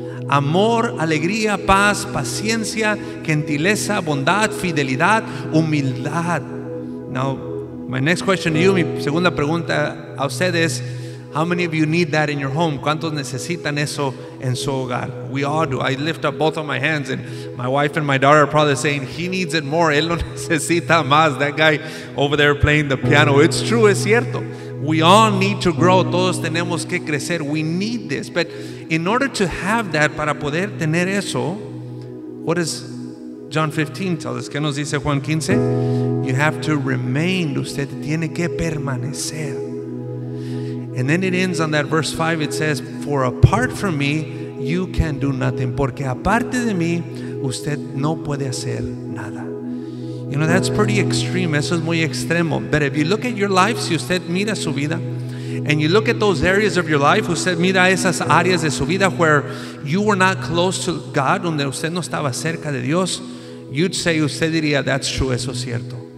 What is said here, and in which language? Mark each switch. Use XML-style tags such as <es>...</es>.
<es>Amor, alegría, paz, paciencia, gentileza, bondad, fidelidad, humildad.</es> <en>Now, my next question to you,</en> <es>mi segunda pregunta a usted es,</es> <en>how many of you need that in your home?</en> <es>¿Cuántos necesitan eso en su hogar?</es> <en>We all do. I lift up both of my hands, and my wife and my daughter are probably saying, he needs it more.</en> <es>Él lo necesita más.</es> <en>That guy over there playing the piano. It's true,</en> <es>es cierto.</es> <en>We all need to grow.</en> <es>Todos tenemos que crecer.</es> <en>We need this. But in order to have that,</en> <es>para poder tener eso,</es> <en>what does John 15 tell us?</en> <es>¿Qué nos dice Juan 15?</es> <en>You have to remain.</en> <es>Usted tiene que permanecer.</es> <en>And then it ends on that verse 5. It says, for apart from me, you can do nothing.</en> <es>Porque aparte de mí, usted no puede hacer nada.</es> <en>You know, that's pretty extreme.</en> <es>Eso es muy extremo.</es> <en>But if you look at your life,</en> <es>si usted mira su vida,</es> <en>and you look at those areas of your life,</en> <es>usted mira esas áreas de su vida</es> <en>where you were not close to God,</en> <es>donde usted no estaba cerca de Dios,</es> <en>you'd say,</en> <es>usted diría,</es> <en>that's true,</en> <es>eso es cierto.</es>